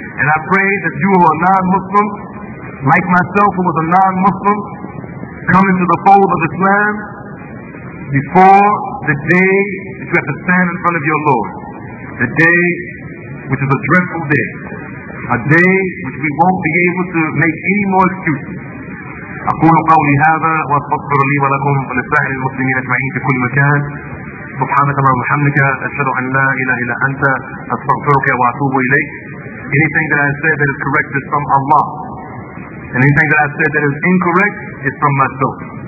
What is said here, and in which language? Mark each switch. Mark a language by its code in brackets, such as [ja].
[en] And I pray that you who are non-Muslim, like myself who was a non-Muslim, come into the fold of Islam before the day that you have to stand in front of your Lord. The day which is a dreadful day. A day which we won't be able to make any more excuses. [ar] أقول قولي هذا وأستغفر لي ولكم ولسائر المسلمين أجمعين في كل مكان. سبحانك اللهم وبحمدك أشهد أن لا إله إلا أنت أستغفرك وأتوب إليك. [en] Anything that I said that is correct is from Allah. And anything that I said that is incorrect is from myself.